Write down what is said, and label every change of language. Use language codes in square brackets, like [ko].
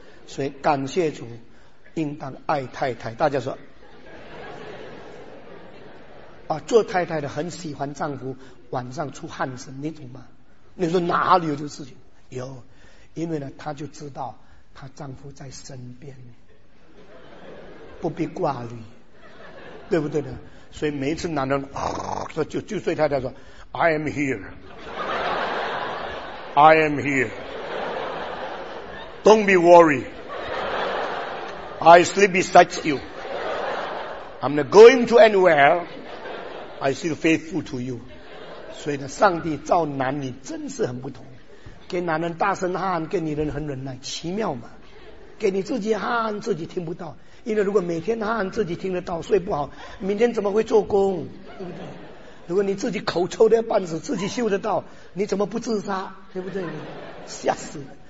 [zh] 所以感谢主，应当爱太太。大家说啊，做太太的很喜欢丈夫晚上出汗声，你懂吗？你说哪里有这个事情？有，因为呢，她就知道她丈夫在身边，不必挂虑，对不对呢？所以每一次男人说、就睡太太说 [en] I am here, I am here, don't be worried, I sleep beside you, I'm not going to anywhere, I still faithful to you。 [zh] 所以呢，上帝造男女真是很不同，给男人大声喊，给女人很忍耐，奇妙嘛。给你自己喊自己听不到，因为如果每天喊自己听得到，睡不好明天怎么会做工，对不对？如果你自己口臭的要半死，自己嗅得到，你怎么不自杀，对不对？吓死了。